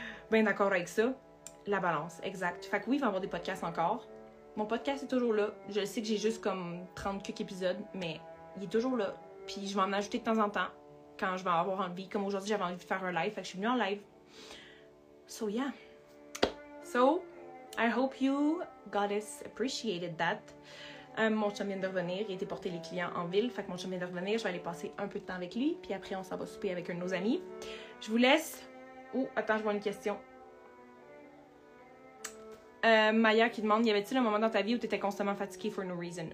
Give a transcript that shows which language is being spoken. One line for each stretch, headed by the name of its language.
French: Ben d'accord avec ça. La balance, exact. Fait que oui, il va y avoir des podcasts encore. Mon podcast est toujours là. Je sais que j'ai juste comme 30 quelques épisodes, mais il est toujours là. Puis je vais en ajouter de temps en temps, quand je vais avoir envie. Comme aujourd'hui, j'avais envie de faire un live, fait que je suis venue en live.
English: So yeah. So, I hope you, goddess, appreciated that.
French: Mon chum vient de revenir, il était porter les clients en ville, fait que mon chum vient de revenir, je vais aller passer un peu de temps avec lui, puis après on s'en va souper avec un de nos amis. Je vous laisse. Oh, attends, je vois une question. Maya qui demande, y avait-il un moment dans ta vie où t'étais constamment fatiguée
English: for no reason?